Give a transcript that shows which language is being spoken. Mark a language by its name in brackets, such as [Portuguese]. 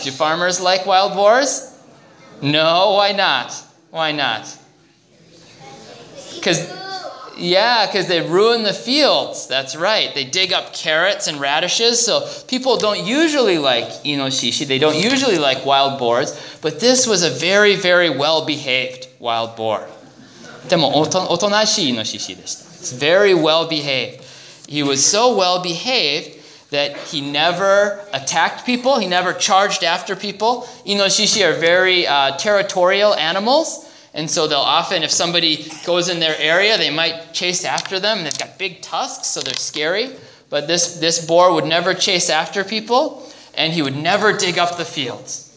[English] Do farmers like wild boars? No, why not? Why not? Because Yeah, because they ruin the fields. That's right. They dig up carrots and radishes. So people don't usually like inoshishi. They don't usually like wild boars. But this was a very, very well-behaved wild boar. [Japanese] でも、おとなしいイノシシでした。 [English] It's very well-behaved. He was so well-behaved that he never attacked people. He never charged after people. Inoshishi are very territorial animals. And so they'll often, if somebody goes in their area, they might chase after them. They've got big tusks, so they're scary. But this boar would never chase after people, and he would never dig up the fields.